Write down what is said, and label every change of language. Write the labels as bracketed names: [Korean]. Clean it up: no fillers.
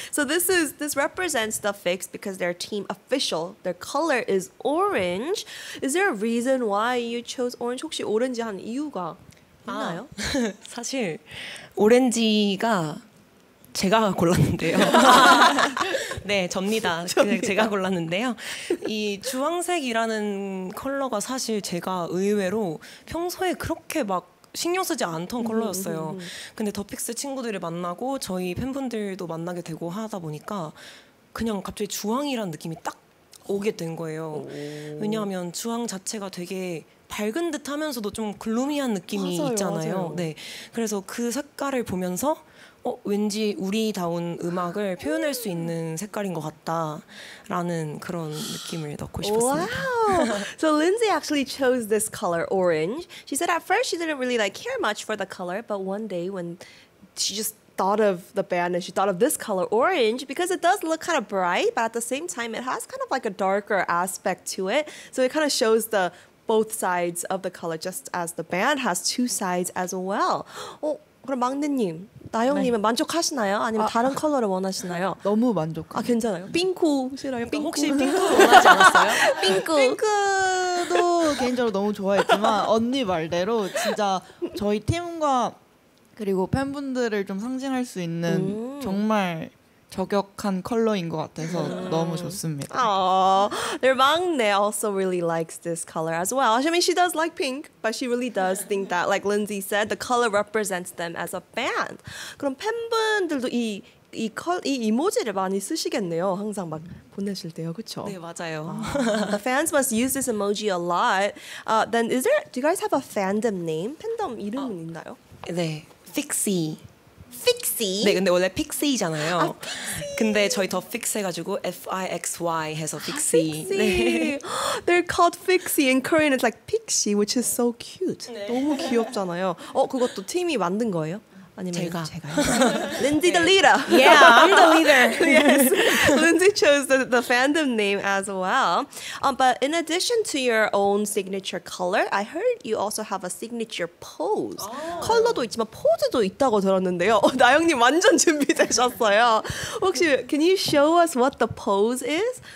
[English] So this represents the fix because their team official, their color is orange. Is there a reason why you chose orange? [Korean] 혹시 오렌지 한 이유가 있나요? 아, 사실 오렌지가 제가 골랐는데요. 네, 접니다. 제가 골랐는데요. 이 주황색이라는 컬러가 사실 제가 의외로 평소에 그렇게 막 신경 쓰지 않던 컬러였어요. 근데 더픽스 친구들을 만나고 저희 팬분들도 만나게 되고 하다 보니까 그냥 갑자기 주황이라는 느낌이 딱 오게 된 거예요. 왜냐하면 주황 자체가 되게 밝은 듯 하면서도 좀 글루미한 느낌이 맞아요, 있잖아요. 맞아요. 네, 그래서 그 색깔을 보면서 왠지 우리다운 음악을 표현할 수 있는 색깔인 것 같다라는 그런 느낌을 넣고 싶었습니다. [English] Wow! So Lindsay actually chose this color, orange. She said at first she didn't really like care much for the color, but one day when she just thought of the band and she thought of this color, orange, because it does look kind of bright, but at the same time it has kind of like a darker aspect to it. So it kind of shows the both sides of the color, just as the band has two sides as well. [Korean] 그럼 막내님, 나영님은 네. 만족하시나요? 아니면 다른 컬러를 원하시나요? 너무 만족합니다. 아, 괜찮아요? 핑크 싫어요? 핑크. 혹시 핑크 원하지 않았어요? 핑크. 핑크도 개인적으로 너무 좋아했지만 언니 말대로 진짜 저희 팀과 그리고 팬분들을 좀 상징할 수 있는 정말 저격한 컬러인 것 같아서 너무 좋습니다. [English] Their 막내 also really likes this color as well. I mean, she does like pink, but she really does think that, like Lindsay said, the color represents them as a band. [Korean] 그럼 팬분들도 이 이모지를 많이 쓰시겠네요. 항상 막 보내실 때요, 그렇죠? 네, 맞아요. [English] The fans must use this emoji a lot. Then, is there? Do you guys have a fandom name? [Korean] 팬덤 이름 있나요? 네, Fixie. Fixie. 네, 근데 원래 픽시잖아요. 아, 픽시. 근데 저희 더 픽스 해가지고 F-I-X-Y 해서 픽시. 아, 픽시. 네. [English] They're called Fixie. In Korean, it's like Pixie, which is so cute. [Korean] 네. 너무 귀엽잖아요. 그것도 팀이 만든 거예요? 아니면 제가. [English] Lindsay the leader. Yeah, I'm the leader. Yes, Lindsay chose the fandom name as well. But in addition to your own signature color, I heard you also have a signature pose. [Korean] 컬러도 있지만 포즈도 있다고 들었는데요. 나영님 완전 준비되셨어요. [English] 혹시 can you show us what the pose is?